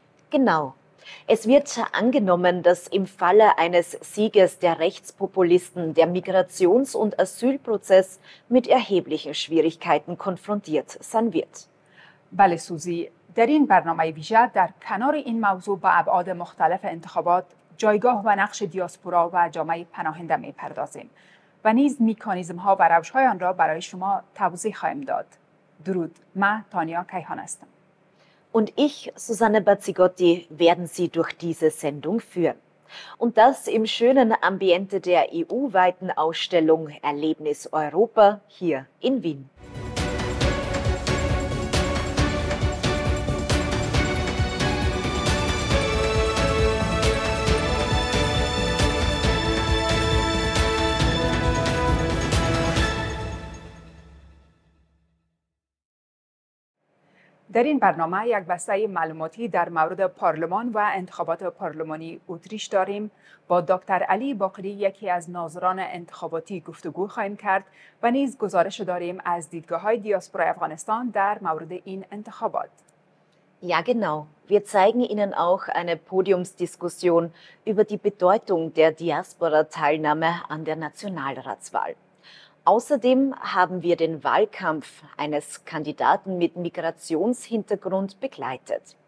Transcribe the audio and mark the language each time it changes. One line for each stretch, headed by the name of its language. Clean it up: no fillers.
German: Genau. Es wird angenommen, dass im Falle eines Sieges der Rechtspopulisten der Migrations- und Asylprozess mit erheblichen Schwierigkeiten konfrontiert sein wird.
Persian: بله سوزی، در این برنامه ویژه در کنار این موضوع به ابعاد مختلف انتخابات، جایگاه و نقش دیاسپورا و جامعه پناهنده می پردازیم و نیز میکانیزم ها و روش های آن را برای شما توضیح خواهیم داد. درود، من تانیا کیهان هستم.
German: Und ich, Susanne Bazzigotti, werden Sie durch diese Sendung führen. Und das im schönen Ambiente der EU-weiten Ausstellung Erlebnis Europa hier in Wien.
Persian: در این برنامه یک بسته معلوماتی در مورد پارلمان و انتخابات پارلمانی اتریش داریم. با دکتر علی باقری یکی از ناظران انتخاباتی گفتگو خواهیم کرد و نیز گزارش داریم از دیدگاه های دیاسپورا افغانستان در مورد این انتخابات.
German: Ja, genau. Wir zeigen Ihnen auch eine Podiumsdiskussion über die Bedeutung der Diaspora-Teilnahme an der Nationalratswahl. Außerdem haben wir den Wahlkampf eines Kandidaten mit Migrationshintergrund begleitet.